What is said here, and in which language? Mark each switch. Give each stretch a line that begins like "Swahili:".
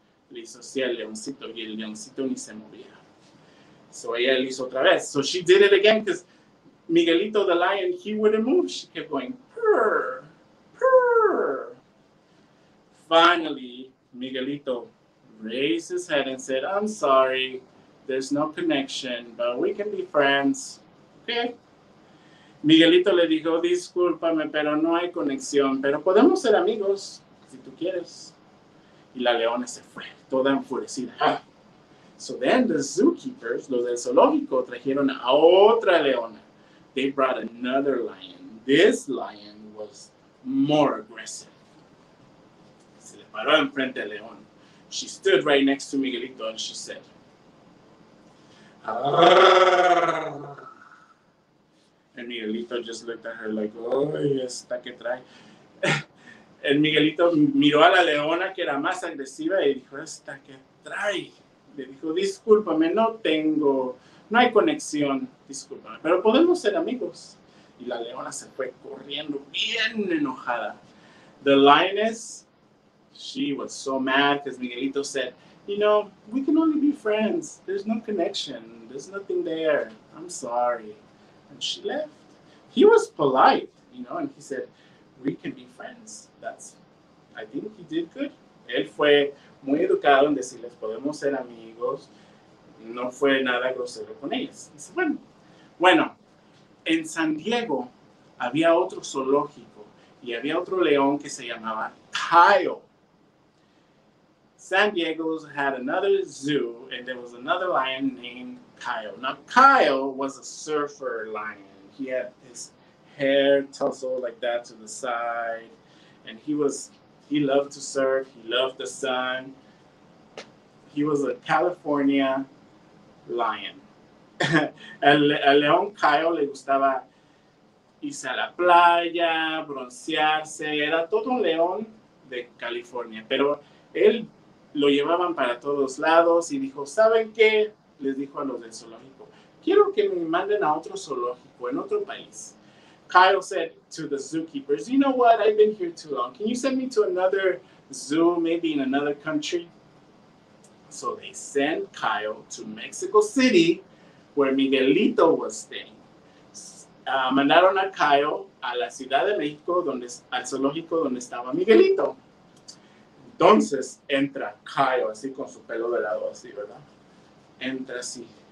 Spanish: Le hizo así al leoncito y el leoncito ni se movía. So ella lo hizo otra vez.
English: So she did it again because Miguelito the lion, he wouldn't move. She kept going, purr, purr. Finally, Miguelito raised his head and said, I'm sorry, there's no connection, but we can be friends. Okay.
Spanish: Miguelito le dijo, discúlpame, pero no hay conexión, pero podemos ser amigos si tú quieres. Y la leona se fue, toda enfurecida.
English: So then the zookeepers,
Spanish: los del zoológico, trajeron a otra leona.
English: They brought another lion. This lion was more aggressive.
Spanish: Se le paró enfrente al león.
English: She stood right next to Miguelito and she said, ah. And Miguelito just looked at her like, oh,
Spanish: esta que trae. And Miguelito miró a la leona que era más agresiva y dijo, esta que trae. Le dijo, discúlpame, no hay conexión, discúlpame, pero podemos ser amigos. Y la leona se fue corriendo bien enojada.
English: The lioness, she was so mad because Miguelito said, you know, we can only be friends. There's no connection. There's nothing there. I'm sorry. And she left. He was polite, you know, and he said, we can be friends. I think he did good.
Spanish: Él fue muy educado en decirles, podemos ser amigos. No fue nada grosero con ellas. Dice, bueno, en San Diego había otro zoológico y había otro león que se llamaba Kyle.
English: San Diego had another zoo and there was another lion named Kyle. Now, Kyle was a surfer lion. He had his hair tousled like that to the side and he loved to surf, he loved the sun. He was a California lion.
Spanish: El león Kyle le gustaba irse a la playa, broncearse. Era todo un león de California. Pero él lo llevaban para todos lados y dijo, ¿saben qué? Les dijo a los del zoológico, quiero que me manden a otro zoológico en otro país.
English: Kyle said to the zookeepers, you know what? I've been here too long. Can you send me to another zoo, maybe in another country? So they sent Kyle to Mexico City, where Miguelito was staying.
Spanish: Mandaron a Kyle a la Ciudad de México, al zoológico donde estaba Miguelito. Entonces entra Kyle, así con su pelo de lado, así, ¿verdad? Entra así.